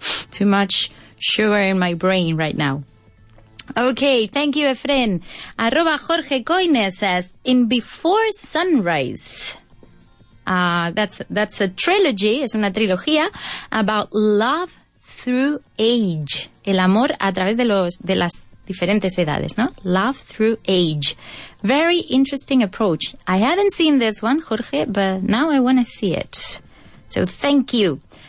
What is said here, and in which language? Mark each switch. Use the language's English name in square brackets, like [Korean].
[English] Too much sugar in my brain right now. Okay, thank you, Efren. Arroba Jorge Coine says, in Before Sunrise, that's a trilogy, [Spanish] es una trilogía, [English] about love through age. [Spanish] El amor a través de las diferentes edades, ¿no? [English] Love through age. Very interesting approach. I haven't seen this one, Jorge, but now I want to see it. So thank you.